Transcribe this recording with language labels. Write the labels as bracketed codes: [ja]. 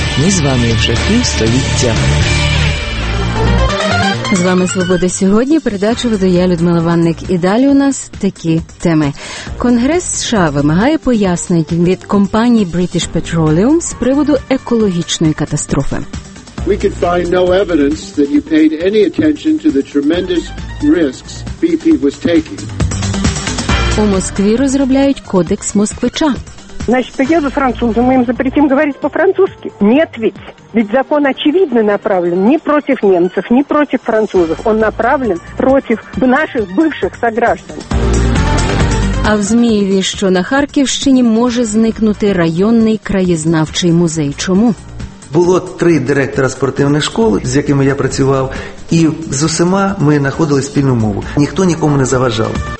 [uk] Ми з вами вже півстоліття. З вами «Свобода сьогодні», передачу веду я, Людмила Ванник. І далі у нас такі теми. Конгрес США вимагає пояснень від компанії British Petroleum з приводу екологічної катастрофи. [en] We could find no evidence that you paid any attention to the tremendous risks BP was taking. [uk] У Москві розробляють кодекс москвича. [ru] Значить, поїду французом, ми їм запретим говорити по-французьки? Нет ведь. Ведь закон очевидно направлен не против немцев, не против французов. Он направлен против наших бывших сограждан. [uk] А в Змієві, що на Харківщині, може зникнути районний краєзнавчий музей. Чому? Було три директора спортивних школ, з якими я працював, і з усіма ми знаходили спільну мову. Ніхто нікому не заважав.